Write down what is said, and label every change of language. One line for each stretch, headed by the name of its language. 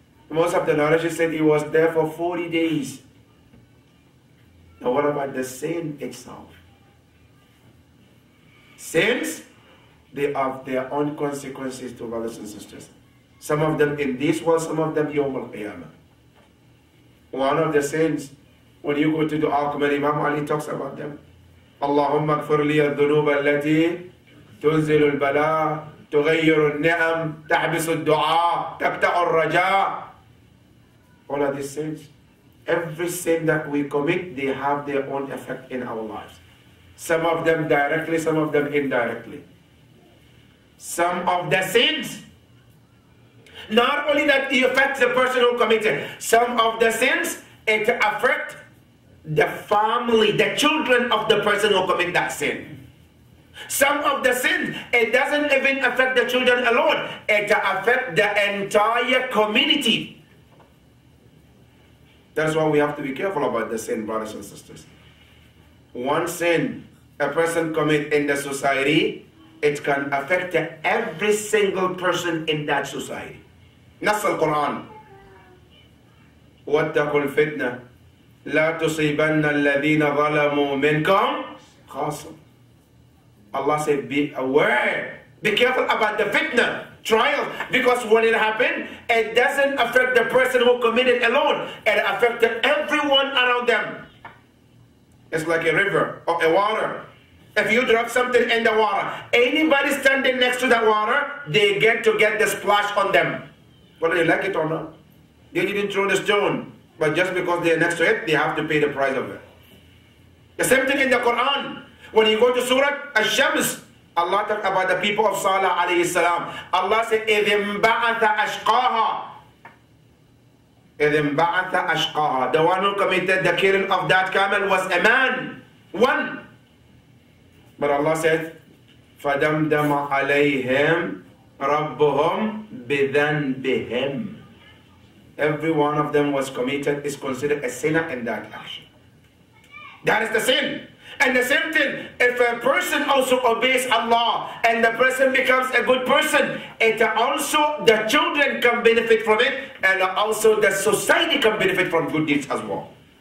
English: Most of the narrations said he was there for 40 days. Now what about the sin itself? Sins? They have their own consequences to brothers and sisters. Some of them in this world, some of them yawm al-qiyamah. One of the sins When you go to the Aqmar, Imam Ali talks about them.
Arabic: Allahumma اغفر لي الذنوب التي تنزل البلاء تغير النعم تحبس الدعاء تقطع الرجاء.
English: All of these sins, every sin that we commit, they have their own effect in our lives. Some of them directly, some of them indirectly. Some of the sins, not only that it affects the person who committed, some of the sins, it affect the family, the children of the person who commit that sin. Some of the sins, it doesn't even affect the children alone. It affect the entire community. That's why we have to be careful about the sin, brothers and sisters. One sin a person commit in the society, it can affect every single person in that society.
Arabic: نص القرآن. واتقوا الفتنة لا تصيبن الذين ظلموا منكم خاصة.
English: Allah said, be aware. Be careful about the fitna, trial. Because when it happened, it doesn't affect the person who committed alone. It affected everyone around them. It's like a river or a water. If you drop something in the water, anybody standing next to that water, they get to get the splash on them. Whether they like it or not. They didn't throw the stone. But just because they're next to it, they have to pay the price of it. The same thing in the Quran. When you go to Surah Al-Shams, Allah talk about the people of Salah alayhi salam. Allah said,
Arabic: إِذِ مْبَعَثَ أَشْقَاهَا إِذِ مْبَعَثَ أَشْقَاهَا.
English: The one who committed the killing of that camel was a man. One. But Allah said,
Arabic: فَدَمْدَمَ عَلَيْهِمْ رَبُّهُمْ بِذَنْبِهِمْ.
English: Every one of them was committed is considered a sinner in that action. That is the sin. And the same thing, if a person also obeys Allah and the person becomes a good person, it also the children can benefit from it and also the society can benefit from good deeds as well.